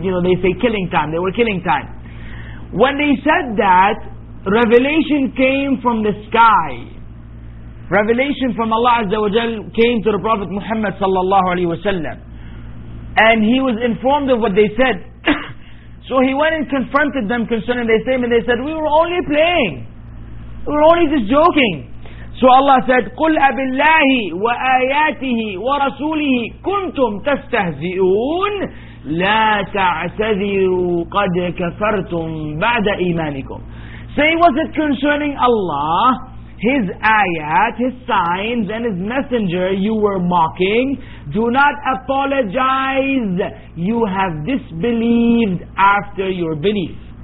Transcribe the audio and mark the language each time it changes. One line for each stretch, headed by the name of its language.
English: You know, they say killing time. They were killing time. When they said that, revelation came from the sky. Revelation from Allah Azza wa Jal came to the Prophet Muhammad sallallahu alaihi wasallam, and he was informed of what they said. So he went and confronted them concerning their statement. They said, "We were only playing. We were only just joking." So Allah said,
Arabic: قُلْ أَبِاللَّهِ وَآيَاتِهِ وَرَسُولِهِ كُنْتُمْ تَسْتَهْزِئُونَ لَا تَعْتَذِرُوا قَدْ كَفَرْتُمْ بَعْدَ إِيمَانِكُمْ.
English: Say, was it concerning Allah, His ayat, His signs, and His messenger you were mocking? Do not apologize. You have disbelieved after your belief.